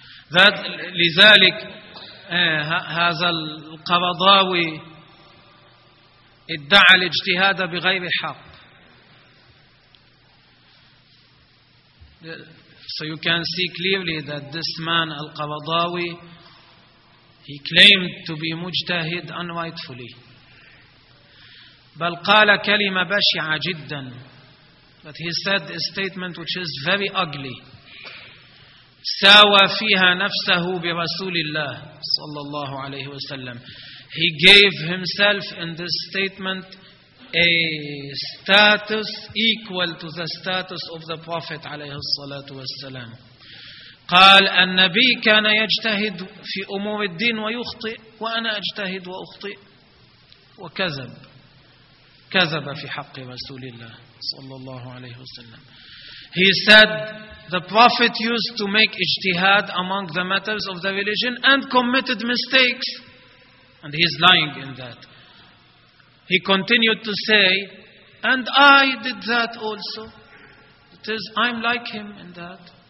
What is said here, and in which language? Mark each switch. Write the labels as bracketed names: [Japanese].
[Arabic] That, لذلك هذا القرضاوي ادعى الاجتهاد بغير حق. [English] So you can see clearly that this man القرضاوي, he claimed to be مجتهد unrightfully. [Arabic] بل قال كلمة بشعة جدا. [English] But he said a statement which is very ugly. [Arabic] ساوى فيها نفسه برسول الله صلى الله عليه وسلم. [English] He gave himself in this statement a status equal to the status of the Prophet [Arabic] عليه الصلاة والسلام. قال النبي كان يجتهد في أمور الدين ويخطئ وأنا أجتهد وأخطئ وكذب. كذب في حق رسول الله صلى الله عليه وسلم. [English] He said the Prophet used to make ijtihad among the matters of the religion and committed mistakes. And he is lying in that. He continued to say, and I did that also. It is, I'm like him in that.